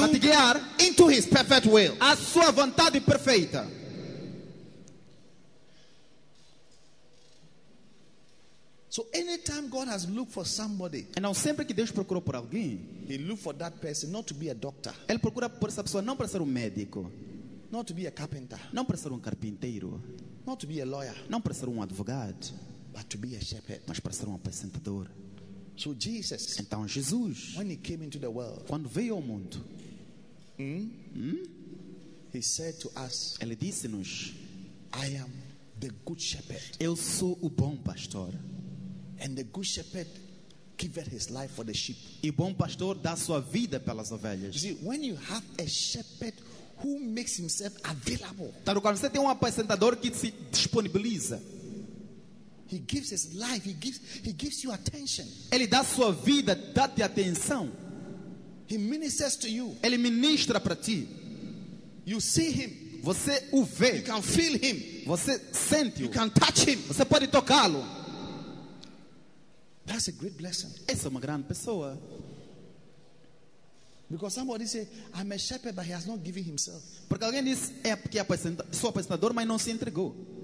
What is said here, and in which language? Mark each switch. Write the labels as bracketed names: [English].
[Portuguese] para te guiar, [English] into his perfect will. [Portuguese] A sua vontade perfeita. [English] So anytime God has looked for somebody, and now [Portuguese] sempre que Deus procurou por alguém, [English] he looked for that person not to be a doctor. [Portuguese] Ele procura por essa pessoa não para ser médico. [English] Not to be a carpenter. [Portuguese] Não para ser carpinteiro. [English] Not to be a lawyer. [Portuguese] Não para ser advogado. [English] But to be a shepherd. [Portuguese] Mas para ser apacentador. [English] So Jesus. [Portuguese] Então Jesus. [English] When he came into the world. [Portuguese] Quando veio ao mundo. [English] He said to us. [Portuguese] Ele disse-nos. [English] I am the good shepherd. [Portuguese] Eu sou o bom pastor. [English] And the good shepherd giveth his life for the sheep. [Portuguese] E bom pastor dá sua vida pelas ovelhas. [English] You see, when you have a shepherd who makes himself available. [Portuguese] Tá, quando você tem um apacentador que se disponibiliza. [English] He gives his life, he gives you attention. [Portuguese] Ele dá sua vida, dá-te atenção. [English] He ministers to you. [Portuguese] Ele ministra para ti. [English] You see him. [Portuguese] Você o vê. [English] You can feel him. [Portuguese] Você sente-o. [English] You can touch him. [Portuguese] Você pode tocá-lo. [English] That's a great blessing. [Portuguese] Essa é uma grande pessoa. [English] Because somebody say, I'm a shepherd, but he has not given himself. [Portuguese] Porque alguém diz, é porque é sou apacentador, mas não se entregou.